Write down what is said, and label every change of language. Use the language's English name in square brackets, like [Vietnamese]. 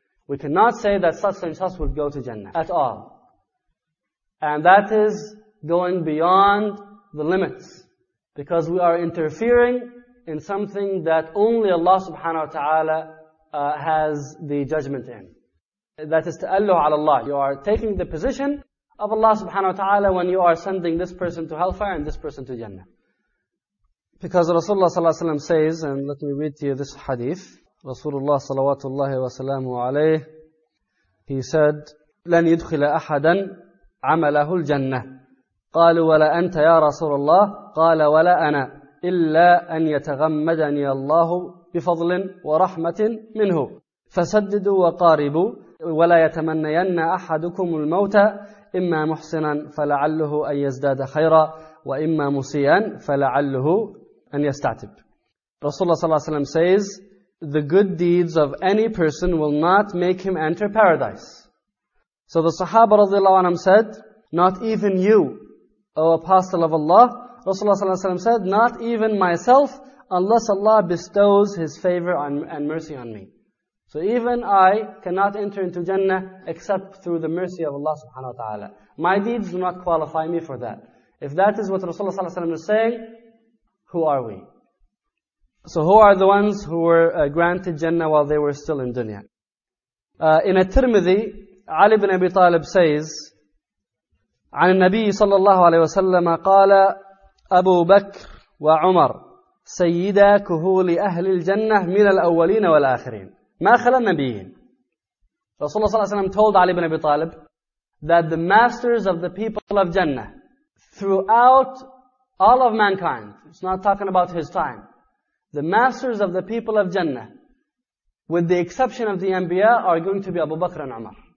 [English] We cannot say that such and such would go to Jannah at all. And that is going beyond the limits, because we are interfering in something that only Allah subhanahu wa ta'ala has the judgment in. That is ta'allu ala Allah. You are taking the position of Allah subhanahu wa ta'ala when you are sending this person to hellfire and this person to Jannah. Because Rasulullah sallallahu alayhi wa sallam says, and let me read to you this hadith, Rasulullah salawatullahi wa salamu alayhi, he said, [Arabic] لَنْ يُدْخِلَ أَحَدًا عَمَلَهُ الْجَنَّةِ قَالُوا وَلَا أَنْتَ يَا رَسُولَ اللَّهِ قَالَ وَلَا أَنَا إِلَّا أَنْ يَتَغَمَّدَنِيَ اللَّهُ بِفَضْلٍ وَرَحْمَةٍ مِنْهُ فَسَدِّدُوا وَقَارِبُوا وَلَا يَتَمَنَّيَنَّ أَحَدُكُمُ الْمَوْتَ إِمَّا مُحْسِنًا فَلَعَلُّهُ أَنْ يَزْدَادَ خَيْرًا وَإِمَّا مُسِيًّا فَلَعَلُّهُ أَنْ يَسْتَعْتِبْ. [English] Rasulullah sallallahu alayhi wa sallam says, the good deeds of any person will not make him enter paradise. So the Sahaba radiallahu anhu said, not even you, O Apostle of Allah. Rasulullah sallallahu alayhi wa sallam said, not even myself, unless Allah bestows His favor and mercy on me. So even I cannot enter into Jannah except through the mercy of Allah subhanahu wa ta'ala. My deeds do not qualify me for that. If that is what Rasulullah sallallahu alayhi wa sallam is saying, who are we? So who are the ones who were granted Jannah while they were still in dunya? In At-Tirmidhi, Ali ibn Abi Talib says, [Arabic] عن النبي صلى الله عليه وسلم قال أبو بكر وعمر سيدا كهول أهل الجنة من الأولين والآخرين. ما خلى النبيين [English] Rasulullah sallallahu alayhi wa sallam told Ali ibn Abi Talib that the masters of the people of Jannah throughout all of mankind, it's not talking about his time, the masters of the people of Jannah, with the exception of the Anbiya, are going to be Abu Bakr and Umar.